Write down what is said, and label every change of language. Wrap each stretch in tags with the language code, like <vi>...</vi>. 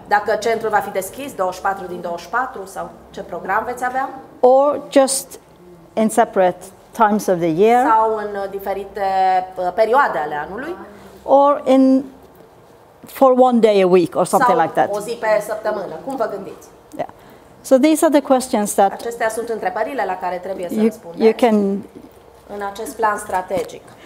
<ro>Dacă centrul va fi deschis 24 din 24 sau ce program veți avea?</ro> <en>Or just in separate times of the year?</en> <ro>Sau în diferite perioade ale anului?</ro> <en>Or in for one day a week or something</en> <ro>sau</ro> <en>like that?</en> <ro>O zi pe săptămână. Cum vă gândiți?</ro> <en>So these are the questions that</en> <ro>acestea sunt întrebările la care trebuie să răspundeți.</ro> <en>You can</en> <ro>în acest plan strategic.</ro>